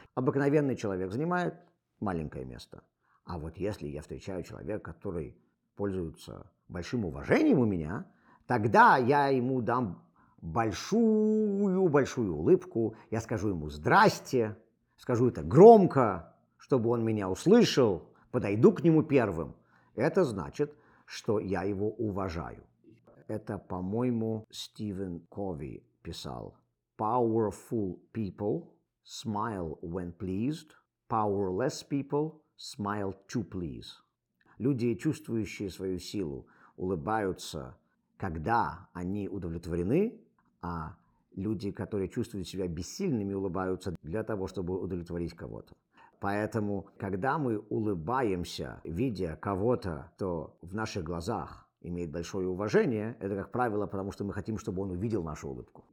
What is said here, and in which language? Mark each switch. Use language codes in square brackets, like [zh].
[ru] Обыкновенный человек занимает маленькое место. А вот если я встречаю человека, который пользуется большим уважением у меня, тогда я ему дам большую-большую улыбку. Я скажу ему «здрасте». Скажу это громко, чтобы он меня услышал, подойду к нему первым. Это значит, что я его уважаю. Это, по-моему, Стивен Кови писал. [en] Powerful people smile when pleased. Powerless people smile to please. [ru] Люди, чувствующие свою силу, улыбаются, когда они удовлетворены, а люди, которые чувствуют себя бессильными, улыбаются для того, чтобы удовлетворить кого-то. Поэтому, когда мы улыбаемся, видя кого-то, кто в наших глазах имеет большое уважение, это, как правило, потому что мы хотим, чтобы он увидел нашу улыбку.